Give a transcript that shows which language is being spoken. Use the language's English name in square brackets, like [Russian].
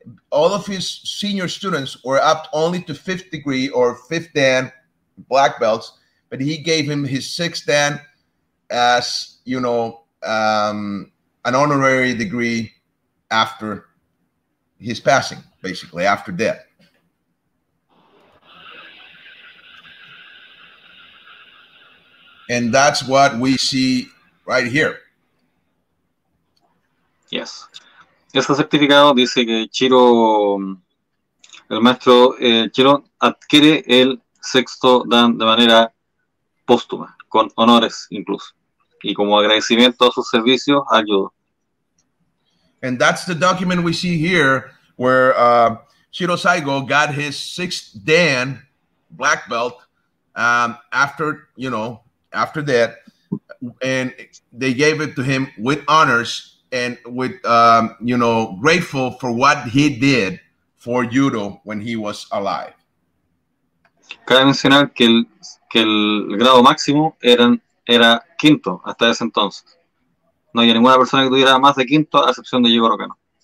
[English] All of his senior students were up only to fifth degree or fifth dan black belts, but he gave him his sixth dan as, you know, an honorary degree after his passing, basically after death. And that's what we see right here. Yes. [Spanish] Ese certificado dice que Chiro, el maestro Chiro, adquiere el sexto dan de manera póstuma, con honores incluso, y como agradecimiento a su servicio, ayudó. [English] And that's the document we see here, where Chiro Saigo got his sixth dan black belt after that, and they gave it to him with honors, and with grateful for what he did for judo when he was alive. [Spanish] Cabe mencionar que el grado máximo era quinto hasta ese entonces. no había ninguna persona que tuviera más de quinto, a excepción de Jigoro Kano.